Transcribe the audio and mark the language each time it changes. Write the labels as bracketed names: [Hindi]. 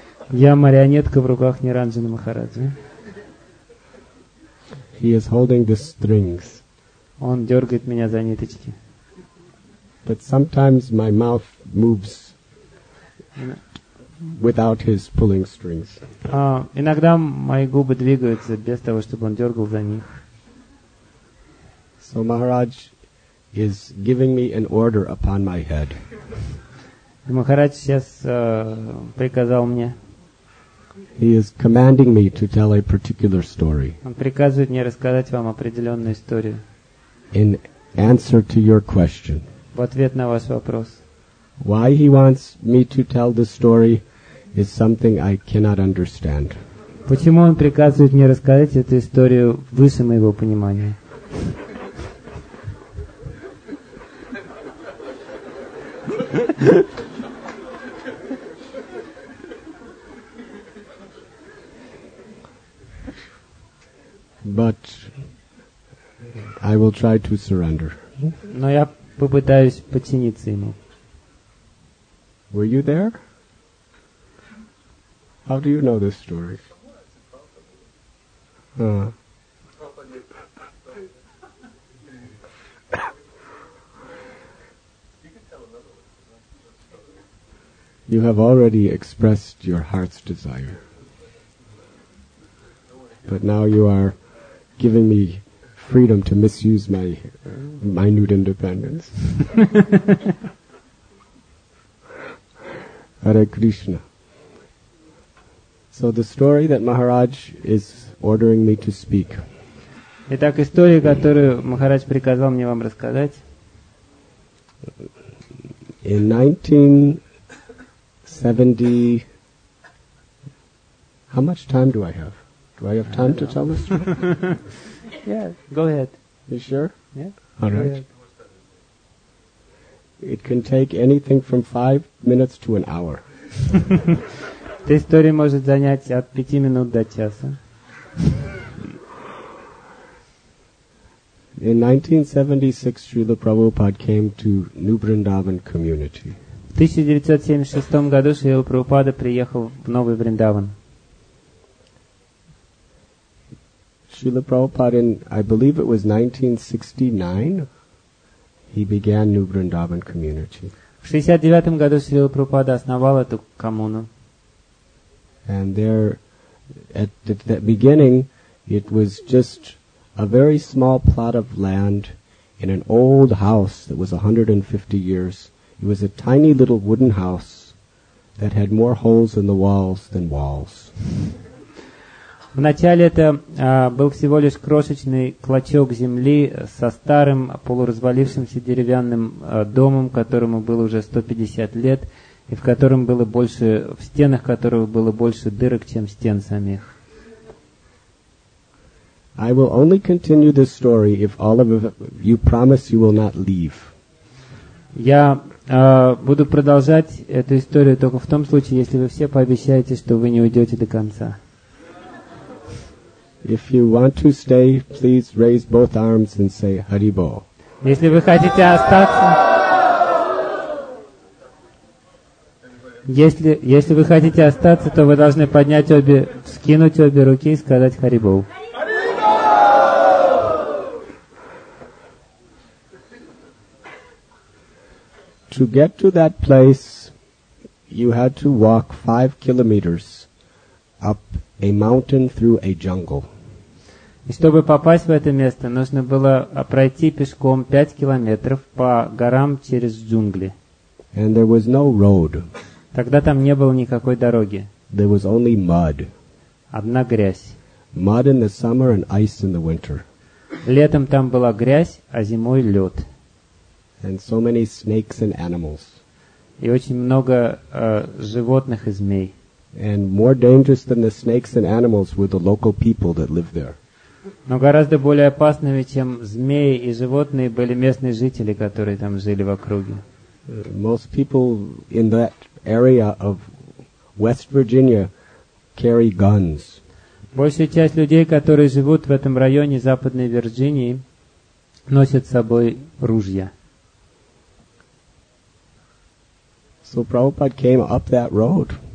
[Russian] Я марионетка в руках Ниранджана Махараджи. [English] He is holding the strings. [Russian] Он дергает меня за ниточки. [English] But sometimes my mouth moves without his pulling strings. [Russian] Иногда мои губы двигаются без того, чтобы он дергал за них. [English] So Maharaj is giving me an order upon my head. [Russian] Махарадж сейчас приказал мне. [English] He is commanding me to tell a particular story. [Russian] Он приказывает мне рассказать вам определенную историю. [English] In answer to your question. [Russian] В ответ на ваш вопрос. [English] Why he wants me to tell the story is something I cannot understand. [Russian] Почему он приказывает мне рассказать эту историю выше моего понимания? [English] But I will try to surrender. [Russian] Но я попытаюсь подчиниться ему. [English] Were you there? How do you know this story? You have already expressed your heart's desire. But now you are giving me freedom to misuse my minute independence. Hare Krishna. So the story that Maharaj is ordering me to speak. [Russian] Итак, история, которую Махарадж приказал мне вам рассказать. [English] In 1970... How much time do I have? Do I have time to tell this story? Yeah, go ahead. You sure? Yeah. All right. It can take anything from 5 minutes to an hour. [Russian] Эта история может занять от 5 минут до часа. [English] In 1976, Srila Prabhupada came to New Vrindavan community. [Russian] В 1976 году Srila Prabhupada приехал в Новый Вриндаван. [English] Srila Prabhupada, in, I believe it was 1969, he began New Vrindavan community. [Russian] В 69 году Srila Prabhupada основал эту коммуну. [English] And there, at the beginning, it was just a very small plot of land in an old house that was 150 years. It was a tiny little wooden house that had more holes in the walls than walls. [Russian] Вначале это был всего лишь крошечный клочок земли со старым полуразвалившимся деревянным домом, которому было уже 150 лет, и в котором было больше, в стенах которого было больше дырок, чем стен самих. [English] I will only continue this story if all of you promise you will not leave. [Russian] Я буду продолжать эту историю только в том случае, если вы все пообещаете, что вы не уйдете до конца. [English] If you want to stay, please raise both arms and say Hari Bol. [Russian] Если вы хотите остаться, если вы хотите остаться, то вы должны поднять обе, скинуть обе руки и сказать Hari Bol. [English] To get to that place, you had to walk 5 kilometers up a mountain through a jungle. [Russian] И чтобы попасть в это место, нужно было пройти пешком 5 километров по горам через джунгли. [English] And there was no road. [Russian] Тогда там не было никакой дороги. [English] There was only mud. [Russian] Одна грязь. [English] Mud in the summer and ice in the winter. [Russian] Летом там была грязь, а зимой лед. [English] and so many snakes and animals. [Russian] И очень много животных и змей. [English] And more dangerous than the snakes and animals were the local people that lived there. [Russian] Но гораздо более опасными, чем змеи и животные, были местные жители, которые там жили в округе. [English] Most people in that area of West Virginia carry guns. [Russian] Большая часть людей, которые живут в этом районе Западной Вирджинии, носят с собой ружья. [English] So Prabhupada came up that road.